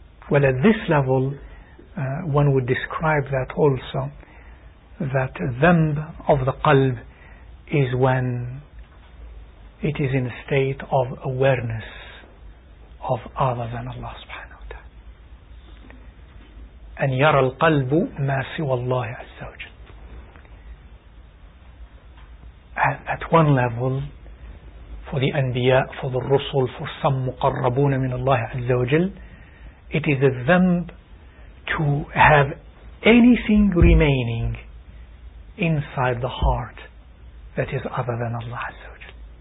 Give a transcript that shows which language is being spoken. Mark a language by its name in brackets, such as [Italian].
[English] Well, at this level, one would describe that also, that dhanb of the qalb is when it is in a state of awareness of other than Allah [Arabic] subhanahu wa ta'ala. أن يرى القلب ما سوى الله عز وجل. [English] At one level, for the anbiya, for the rusul, for some [Arabic] muqarrabuna min Allah عز وجل, [English] it is a dhanb to have anything remaining inside the heart that is other than Allah [Arabic] عز وجل.